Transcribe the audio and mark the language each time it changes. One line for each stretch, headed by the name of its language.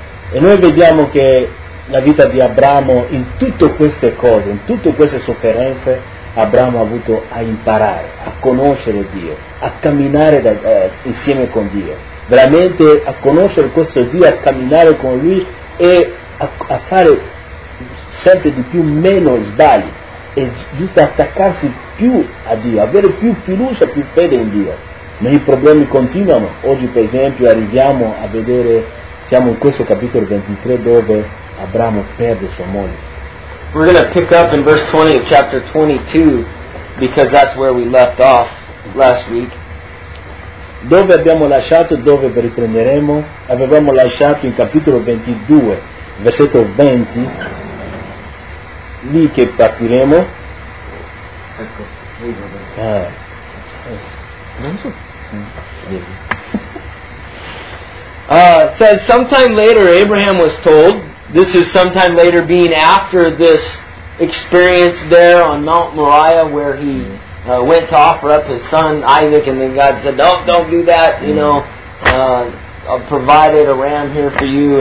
Italian: E noi vediamo che la vita di Abramo, in tutte queste cose, in tutte queste sofferenze, Abramo ha avuto a imparare, a conoscere Dio, a camminare insieme con Dio, veramente a conoscere questo Dio, a camminare con Lui e a fare sempre di più meno sbagli e giusto attaccarsi più a Dio, avere più fiducia, più fede in Dio. Ma i problemi continuano. Oggi per esempio arriviamo a vedere, siamo in questo capitolo 23 dove Abramo perde sua moglie.
English: We're going to pick up in verse 20 of chapter 22, because that's where we left off last week.
Italian: Dove abbiamo lasciato, dove riprenderemo? Avevamo lasciato in capitolo 22, versetto 20, lì che partiremo.
English: Ecco, says sometime later Abraham was told, this is sometime later being after this experience there on Mount Moriah where he went to offer up his son Isaac, and then God said, don't do that, you know, I've provided a ram here for you.